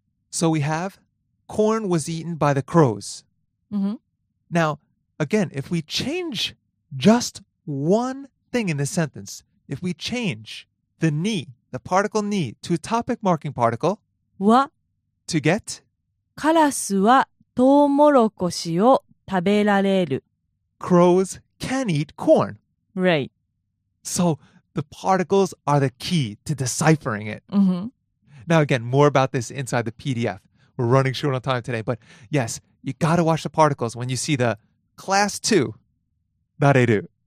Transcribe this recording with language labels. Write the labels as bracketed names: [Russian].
[English] So we have, corn was eaten by the crows. Mm-hmm. Now, again, if we change just one thing in this sentence, if we change the に, the particle に, to a topic marking particle, [Japanese] は [English] To get? [Japanese] カラスはトウモロコシを食べられる。 [English] Crows can eat corn. Right. So, the particles are the key to deciphering it. Mm-hmm. Now again, more about this inside the PDF. We're running short on time today, but yes, you gotta watch the particles when you see the class 2. [Japanese] Nareru.